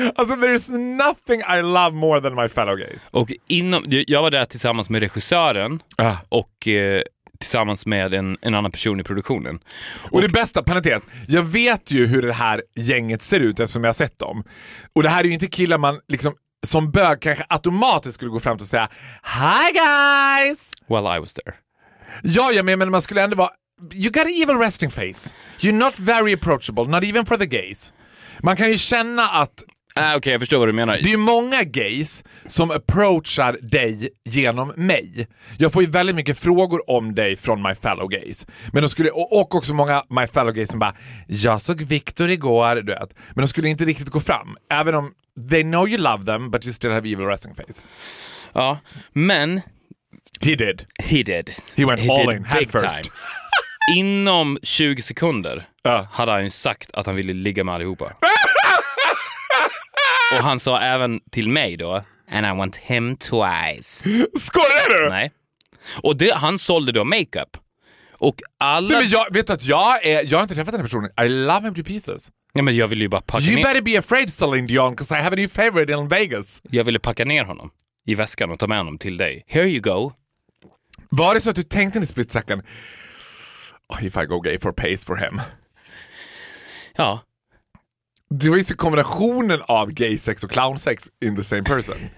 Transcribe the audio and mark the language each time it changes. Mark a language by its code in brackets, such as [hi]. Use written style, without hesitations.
[sv] Alltså, [en] there is nothing I love more than my fellow gays. [sv] Och inom... Jag var där tillsammans med regissören. Och... tillsammans med en annan person i produktionen. Och det bästa, parentes, jag vet ju hur det här gänget ser ut eftersom jag har sett dem. Och det här är ju inte killar man liksom som bög kanske automatiskt skulle gå fram till och säga [en] hi guys! Well, I was there. [sv] Ja, men man skulle ändå vara [en] you got an evil resting face. You're not very approachable, not even for the gays. [sv] Man kan ju känna att Okej, jag förstår vad du menar. Det är många gays som approachar dig genom mig. Jag får ju väldigt mycket frågor om dig från [en] my fellow gays. [sv] Men de skulle, och också många my fellow gays som bara jag såg Victor igår, du vet. Men de skulle inte riktigt gå fram. Även om [en] they know you love them, but you still have evil resting face. [sv] Ja, men... [en] He did. He went he all in, head first. [sv] Inom 20 sekunder hade han sagt att han ville ligga med allihopa. Och han sa även till mig då [en] and I want him twice. [sv] Skojar du? Nej. Och det, han sålde då makeup. Och alla nej, men jag vet att jag har inte träffat den här personen. [en] I love him to pieces. [sv] Nej, men jag vill ju bara packa [en] you [sv] ner. [en] Better be afraid Celine Dion because I have a new favorite in Vegas. [sv] Jag ville packa ner honom i väskan och ta med honom till dig. [en] Here you go. [sv] Var det så att du tänkte en split second [en] oh, if I go gay for pace for him. [sv] Ja. Det var ju kombinationen av gay sex och clown sex [en] in the same person.